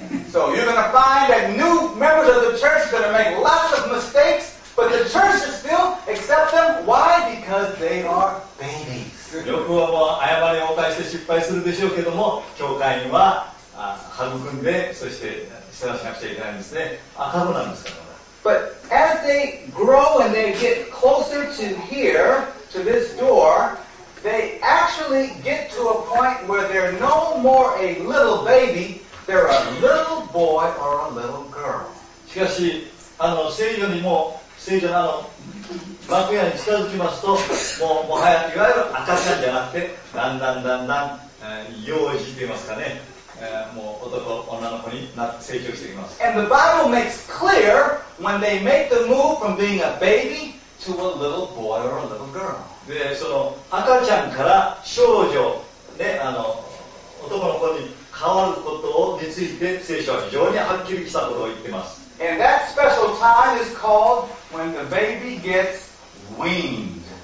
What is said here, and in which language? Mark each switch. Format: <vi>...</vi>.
<en>So you're going to find that new members of the church are going to make lots of mistakes, but the church is still accept them. Why? Because they are babies.</en> <ja>よくはもう誤りを犯して失敗するでしょうけども、教会には育んで、そして世話しなくちゃいけないんですね。赤子なんですから。</ja> <en>But as they grow and they get closer to here, to this door, they actually get to a point where they're no more a little baby, they're a little boy or a little girl.</en> <ja>しかし、聖女にも、聖女の幕屋に近づきますと、もうもはやいわゆる赤ちゃんじゃなくて、だんだんだんだん、幼児といいますかね、もう男、女の子に成長していきます。</ja> <en>And the Bible makes clear when they make the move from being a baby to a little boy or a little girl.</en> <ja>で、その赤ちゃんから少女、ね、男の子に変わることについて、聖書は非常にはっきりしたことを言っています。</ja> <en>And that special time is called when the baby gets weaned.</en>